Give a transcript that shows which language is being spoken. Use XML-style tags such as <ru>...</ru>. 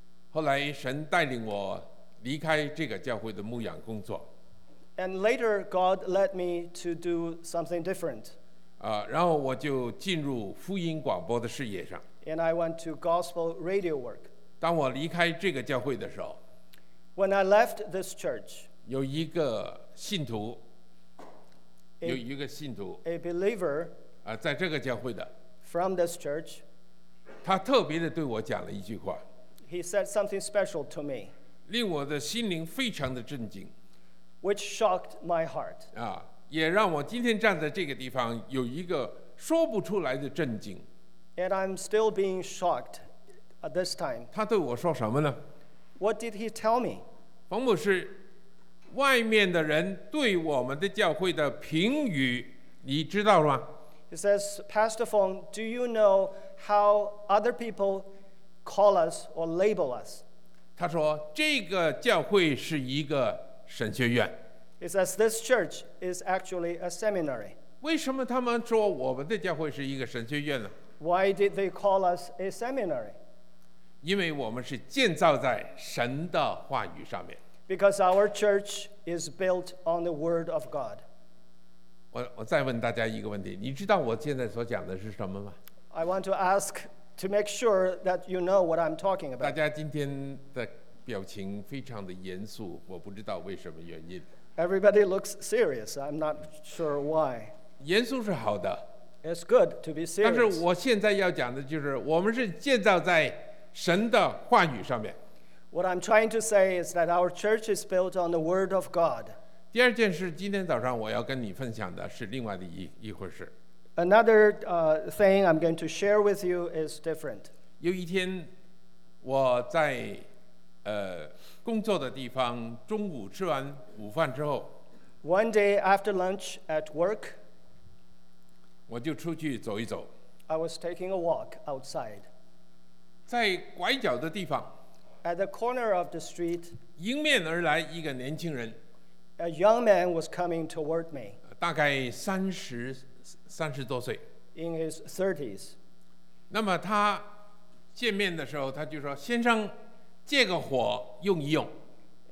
<zh>后来神带领我离开这个教会的牧养工作。</zh> <en>And later God led me to do something different.</en> <zh>然后我就进入福音广播的事业上。</zh> <en>And I went to gospel radio work.</en> <zh>当我离开这个教会的时候。</zh> <en>When I left this church.</en> <zh>有一个信徒。有一个信徒</zh> <en>a believer</en> <zh>在这个教会的</zh> <en>from this church</en> <zh>他特别的对我讲了一句话</zh> <en>he said something special to me</en> <zh>令我的心灵非常的震惊</zh> <en>which shocked my heart</en> <zh>也让我今天站在这个地方有一个说不出来的震惊</zh> <en>and I'm still being shocked at this time</en> <zh>他对我说什么呢</zh> <en>what did he tell me</en> <zh>冯牧师外面的人对我们的教会的评语，你知道吗？</zh> <en>He says, Pastor Fong, do you know how other people call us or label us?</en> <zh>他说，这个教会是一个神学院。</zh> <en>He says, this church is actually a seminary.</en> <zh>为什么他们说我们的教会是一个神学院呢？</zh> <en>Why did they call us a seminary?</en> <zh>因为我们是建造在神的话语上面。</zh> <en>Because our church is built on the word of God.</en> <zh>我再问大家一个问题，你知道我现在所讲的是什么吗？</zh> <en>I want to ask to make sure that you know what I'm talking about.</en> <zh>大家今天的表情非常的严肃，我不知道为什么原因。</zh> <en>Everybody looks serious. I'm not sure why.</en> <zh>严肃是好的。</zh> <en>It's good to be serious.</en> <zh>但是我现在要讲的就是，我们是建造在神的话语上面。</zh> <en>What I'm trying to say is that our church is built on the word of God.</en> <zh>第二件事，今天早上我要跟你分享的是另外的一回事。</zh> <en>Another thing I'm going to share with you is different.</en> <zh>有一天，我在工作的地方，中午吃完午饭之后。</zh> <en>One day after lunch at work.</en> <zh>我就出去走一走。</zh> <en>I was taking a walk outside.</en> <zh>在拐角的地方。</zh> <en>At the corner of the street,</en> <zh>迎面而来一个年轻人</zh> <en>a young man was coming toward me.</en> <zh>大概三十多岁</zh> <en>in his 30s.</en> <zh>那么他见面的时候，他就说：“先生，借个火用一用。”</zh>